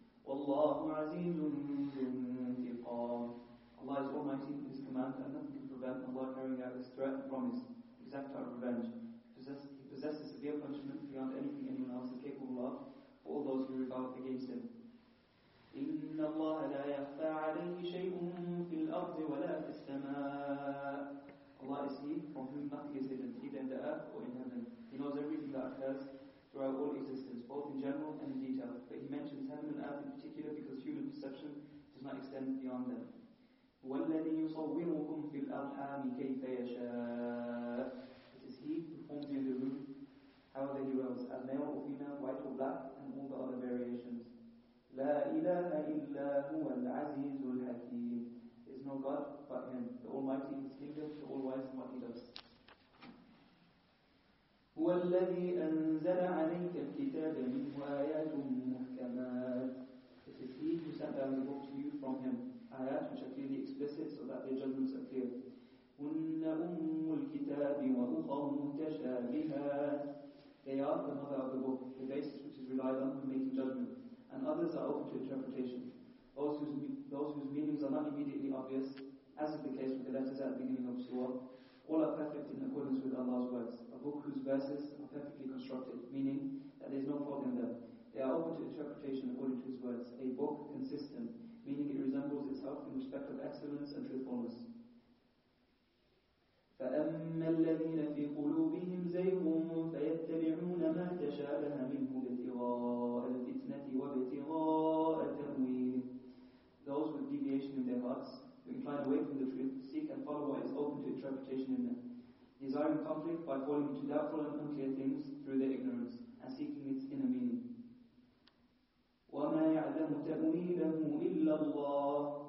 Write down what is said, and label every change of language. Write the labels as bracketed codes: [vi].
[ar] وَاللَّهُ عَزِيزٌ مُنْتِقَامٌ. [en] Allah is Almighty in His command, and nothing can prevent Allah carrying out His threat and promise, exact out of revenge. He possesses severe punishment beyond anything anyone else is capable of for all those who rebel against Him. [ar] إن الله لا يخفى عليه شيء في الأرض ولا في السماء. [en] Allah is He from whom nothing is hidden, either in the earth or in heaven. He knows everything that occurs throughout all existence, both in general and in detail. But He mentions heaven and earth in particular because human perception does not extend beyond them. [ar] والذي يصوركم في الأرحام كيف يشاء. [en] It is He who forms you in the room, however He wills, as male or female, white or black, and all the other variations. [ar] لا إله إلا هو العزيز الحكيم. [en] Is no God but Him, the Almighty, His kingdom, the All-Wise, what He does. [ar] هو الذي أنزل عليك الكتاب منه آيات محكمات. [en] It is He who sent down the book to you from Him, آيات which are clearly explicit so that their judgments are clear. [ar] هن أم الكتاب وأخر متشابهات. [en] They are the mother of the book, the basis which is relied on for making judgment. And others are open to interpretation. Those whose meanings are not immediately obvious, as is the case with the letters at the beginning of Surah, all are perfect in accordance with Allah's words. A book whose verses are perfectly constructed, meaning that there is no fault in them. They are open to interpretation according to His words. A book consistent, meaning it resembles itself in respect of excellence and truthfulness. [ar] فأما الذين في قلوبهم زيغ فيتبعون ما تشابه منه ابتغاء الفتنة وابتغاء تأويله. [en] Those with deviation in their hearts, who incline away from the truth, seek and follow what is open to interpretation in them, desiring conflict by falling into doubtful and unclear things through their ignorance, and seeking its inner meaning. [ar] وَمَا يَعْلَمُ تَأْوِيلَهُ إِلَّا اللَّهُ.